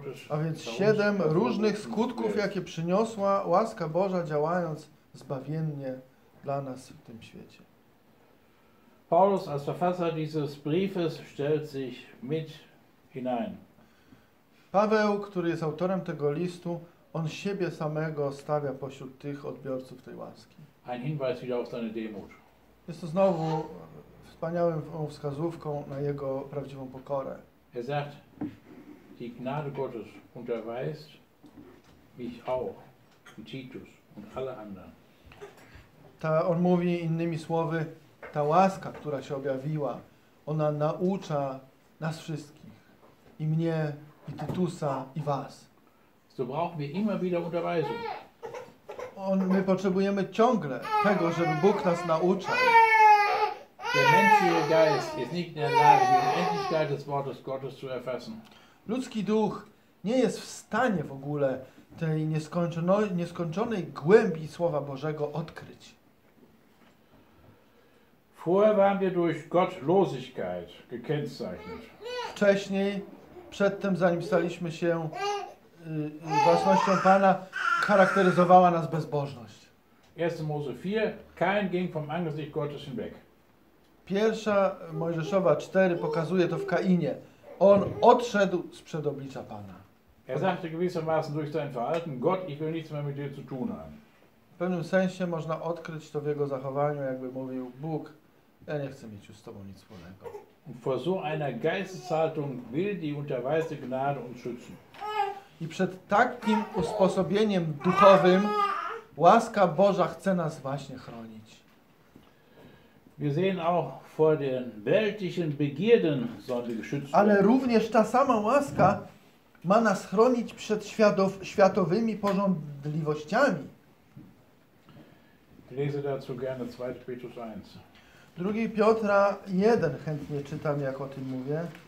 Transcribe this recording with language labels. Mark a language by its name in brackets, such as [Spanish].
[Polish] A więc 7 różnych skutków, jakie przyniosła łaska Boża, działając zbawiennie dla nas w tym świecie. [German] Paulus als Verfasser dieses Briefes stellt sich mit hinein. [Polish] Paweł, który jest autorem tego listu, on siebie samego stawia pośród tych odbiorców tej łaski. [German] Ein Hinweis wieder auf seine Demut. [Polish] Jest to znowu wspaniałą wskazówką na jego prawdziwą pokorę. [German] Er sagt, die Gnade Gottes unterweist mich auch, Titus und alle anderen. [Polish] Ta, on mówi innymi słowy, ta łaska, która się objawiła, ona naucza nas wszystkich, i mnie, i Tytusa, i was. [German] So brauchen wir immer wieder Unterweisung. [Polish] My potrzebujemy ciągle tego, żeby Bóg nas nauczał. [German] Der menschliche Geist ist nicht in der Lage, die Unendlichkeit des Wortes Gottes zu erfassen. [Polish] Ludzki duch nie jest w stanie w ogóle tej nieskończonej głębi Słowa Bożego odkryć. [German] Vorher waren wir durch Gottlosigkeit gekennzeichnet. [Polish] Wcześniej, przedtem, zanim staliśmy się własnością Pana, charakteryzowała nas bezbożność. [German] 1 Mose 4, Kain ging vom Angesicht Gottes hinweg. [Polish] Pierwsza Mojżeszowa 4 pokazuje to w Kainie. On odszedł sprzed oblicza Pana. [German] Er sagte gewissermaßen durch sein Verhalten, Gott, ich will nichts mehr mit dir zu tun haben. [Polish] W pewnym sensie można odkryć to w jego zachowaniu, jakby mówił, Bóg, ja nie chcę mieć już z tobą nic wspólnego. [German] Und vor so einer Geisteshaltung will die unterweiste Gnade uns schützen. [Polish] I przed takim usposobieniem duchowym łaska Boża chce nas właśnie chronić. [German] Wir sehen auch vor den weltlichen Begierden sollen wir geschützt werden. [Polish] Ale również ta sama łaska ma nas chronić przed światowymi pożądliwościami. [German] Lese dazu gerne 2 Petrus 1. [Polish] 2 Piotra 1 chętnie czytam, jak o tym mówię.